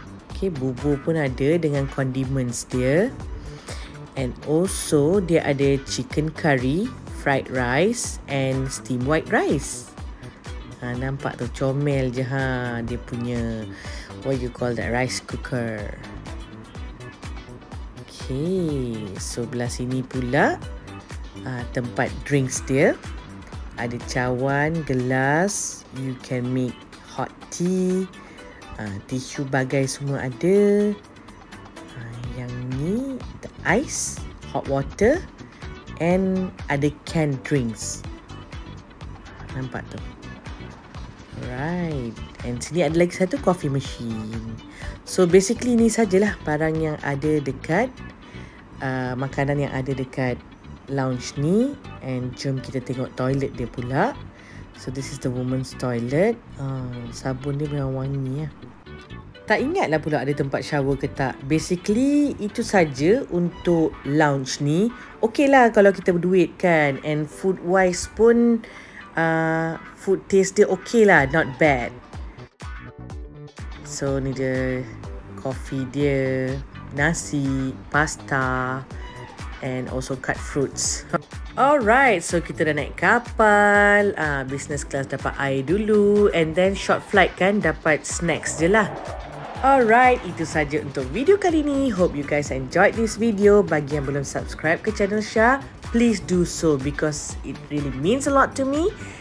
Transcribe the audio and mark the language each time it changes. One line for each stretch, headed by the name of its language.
Malay: Okay, bubur pun ada dengan condiments dia.
English: And also,
Malay: dia ada
English: chicken curry, fried rice and steamed white rice.
Malay: Nampak tu, comel je ha. Dia punya,
English: what you call that,
Malay: rice cooker.
English: Okay, so
Malay: belah sini pula tempat drinks dia. Ada cawan, gelas,
English: you can make hot tea.
Malay: Tisu bagai semua ada. Yang ni,
English: the ice, hot water and
Malay: ada
English: canned drinks.
Malay: Nampak tu.
English: Right, and
Malay: sini ada lagi satu coffee machine. So basically ni sajalah barang yang ada dekat makanan yang ada dekat lounge ni.
English: And
Malay: jom kita tengok toilet dia pula.
English: So this is the woman's toilet.
Malay: Sabun dia memang wangi lah. Tak ingatlah pula ada tempat shower ke tak. Basically itu saja untuk lounge ni. Okay lah kalau kita berduit kan. And
English: food wise
Malay: pun food taste dia okay lah,
English: not bad. So
Malay: ni dia
English: coffee
Malay: dia, nasi,
English: pasta and also cut fruits.
Malay: Alright, so kita dah naik kapal,
English: business class
Malay: dapat air dulu, and then
English: short flight
Malay: kan dapat snacks je lah. Alright, itu saja untuk video kali ni.
English: Hope you guys enjoyed this video.
Malay: Bagi yang belum subscribe ke channel Shah,
English: please do so because it really means a lot to me.